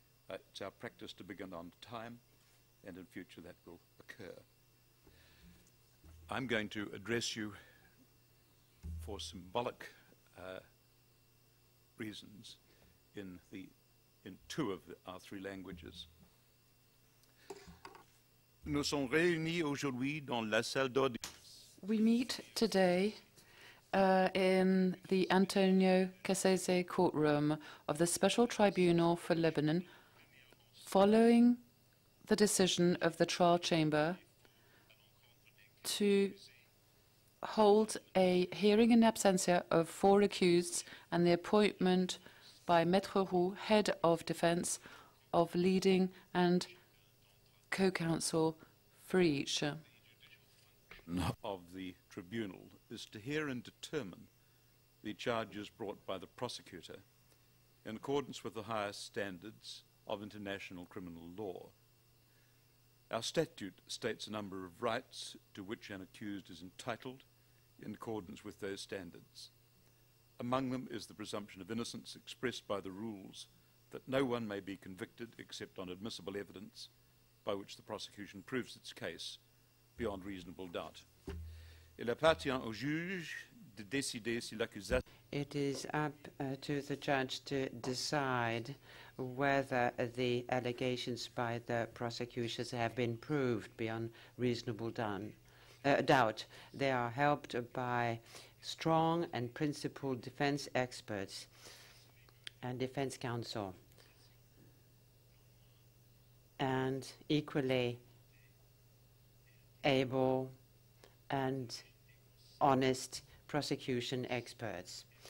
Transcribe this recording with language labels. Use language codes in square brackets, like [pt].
[en] It's our practice to begin on time, and in future that will occur. I'm going to address you for symbolic reasons in two of our three languages. [fr] Nous sommes réunis aujourd'hui dans la salle d'audience. [en] We meet today in the Antonio Cassese courtroom of the Special Tribunal for Lebanon, following the decision of the trial chamber to hold a hearing in absentia of four accused and the appointment by Maître Roux, head of defense, of leading and co-counsel for each. Of the tribunal is to hear and determine the charges brought by the prosecutor in accordance with the highest standards of international criminal law. Our statute states a number of rights to which an accused is entitled in accordance with those standards. Among them is the presumption of innocence expressed by the rules that no one may be convicted except on admissible evidence by which the prosecution proves its case beyond reasonable doubt. [fr] Il appartient au juge de décider si l'accusation. [en] It is up to the judge to decide whether the allegations by the prosecutors have been proved beyond reasonable doubt. They are helped by strong and principled defense experts and defense counsel, and equally able and honest prosecution experts.